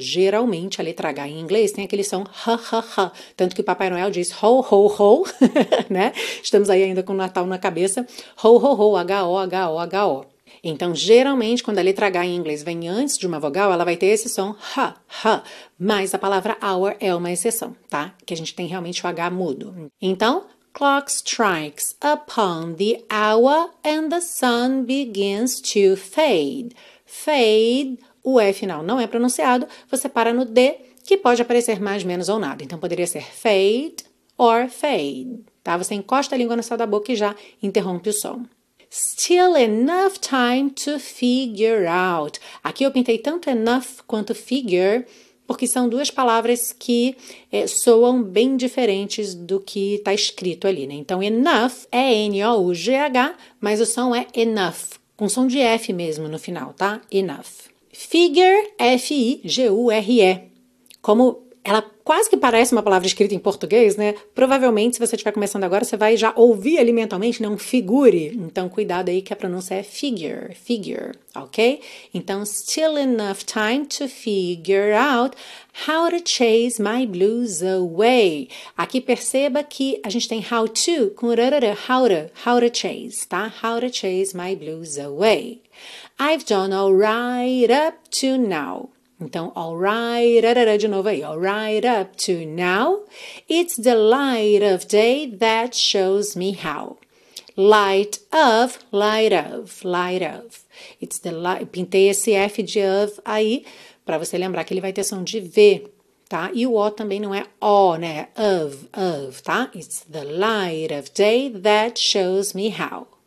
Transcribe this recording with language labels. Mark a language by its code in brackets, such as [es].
[pt] Geralmente a letra H em inglês tem aquele som ha ha ha, tanto que Papai Noel diz ho ho ho, né? Estamos aí ainda com o Natal na cabeça, ho ho ho, H-O-H-O-H-O. Então, geralmente, quando a letra H em inglês vem antes de uma vogal, ela vai ter esse som, ha, ha. Mas a palavra hour é uma exceção, tá? Que a gente tem realmente o H mudo. [en] Então, clock strikes upon the hour and the sun begins to fade. [pt] Fade, o E final não é pronunciado, você para no D, que pode aparecer mais, menos ou nada. Então, poderia ser fade or fade, tá? Você encosta a língua no céu da boca e já interrompe o som. [en] Still enough time to figure out. [pt] Aqui eu pintei tanto enough quanto figure, porque são duas palavras que soam bem diferentes do que está escrito ali, né? Então, enough é N-O-U-G-H, mas o som é enough, com som de F mesmo no final, tá? Enough. Figure, F-I-G-U-R-E. Como ela quase que parece uma palavra escrita em português, né? Provavelmente, se você estiver começando agora, você vai já ouvir ali mentalmente, né? Um figure. Então, cuidado aí que a pronúncia é figure, figure, ok? [en] Então, still enough time to figure out how to chase my blues away. [pt] Aqui, perceba que a gente tem how to com rarara, [en] how to chase, [pt] tá? [en] How to chase my blues away. I've done all right up to now. Então, all right, arara, [pt] de novo aí, [en] all right up to now, it's the light of day that shows me how. Light of, light of, light of. It's the light, [pt] pintei esse F de of aí, para você lembrar que ele vai ter som de V, tá? E o O também não é O, né? Of, tá? [en] It's the light of day that shows me how.